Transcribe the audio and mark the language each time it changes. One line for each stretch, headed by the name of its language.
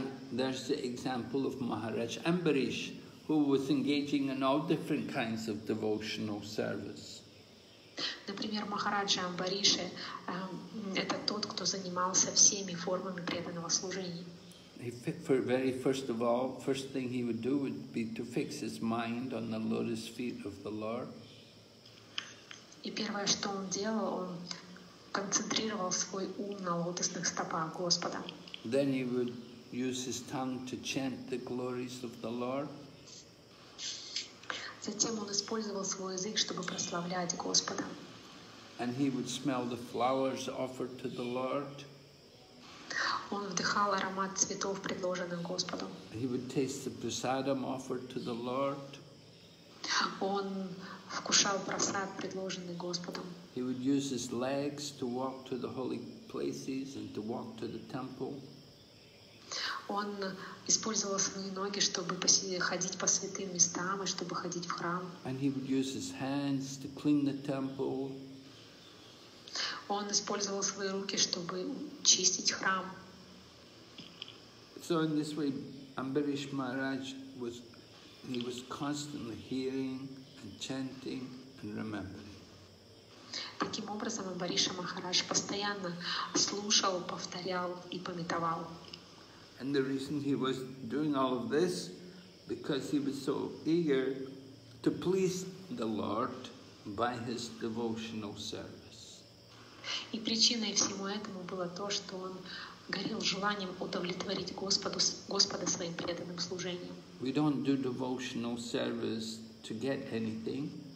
English: And there's the example of Maharaj Ambarish, who was engaging in all different kinds of devotional service.
Russian: Например, Махараджа Амбариши – это тот, кто занимался всеми формами преданного служения.
English: First thing he would do would be to fix his mind on the lotus feet of the Lord.
Russian: И первое, что он делал, он концентрировал свой ум на лотосных стопах Господа.
English: Then he would use his tongue to chant the glories of the Lord.
Russian: Затем он использовал свой язык, чтобы прославлять Господа.
English: And he would smell the flowers offered to the Lord.
Russian: Он вдыхал аромат цветов, предложенных Господом.
English: He would taste the prasadam offered to the Lord.
Russian: Он вкушал прасад, предложенный Господом.
English: He would use his legs to walk to the holy places and to walk to the temple.
Russian: Он использовал свои ноги, чтобы ходить по святым местам и чтобы ходить в храм.
English: And he would use his hands to clean the temple.
Russian: Он использовал свои руки, чтобы чистить храм.
English: So in this way, Ambarish Maharaj was, he was constantly hearing and chanting and remembering.
Russian: Таким образом, Амбариша Махарадж постоянно слушал, повторял и памятовал.
English: And the reason he was doing all of this, because he was so eager to please the Lord by his devotional service.
Russian: И причиной всему этому было то, что он горел желанием удовлетворить Господа своим преданным служением.
English: We don't do devotional service to get anything.